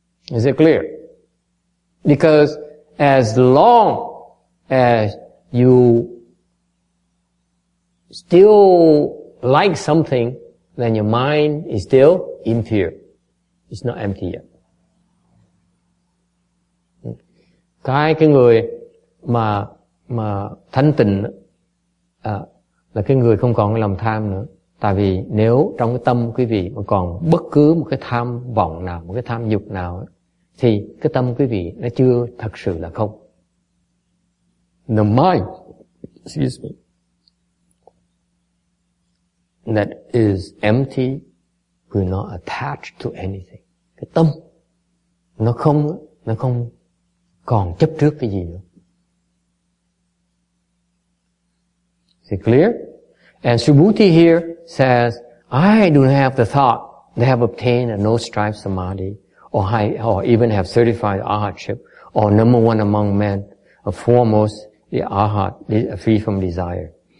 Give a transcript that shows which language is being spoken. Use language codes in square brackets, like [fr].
[en] Is it clear? Because as long as you still like something, then your mind is still impure. It's not empty yet. [vi] Cái người mà thanh tịnh là cái người không còn cái lòng tham nữa, Tại vì nếu trong cái tâm quý vị mà còn bất cứ một cái tham vọng nào, một cái tham dục nào, thì cái tâm quý vị nó chưa thật sự là không. [en] The mind, excuse me, that is empty, will not attach to anything. [vi] Cái tâm nó không còn chấp trước cái gì nữa. [en] Is it clear? And Subhuti here says, I do not have the thought to have obtained a no strife samadhi, or even have certified arhatship, or number one among men, or foremost the arhat, free from desire.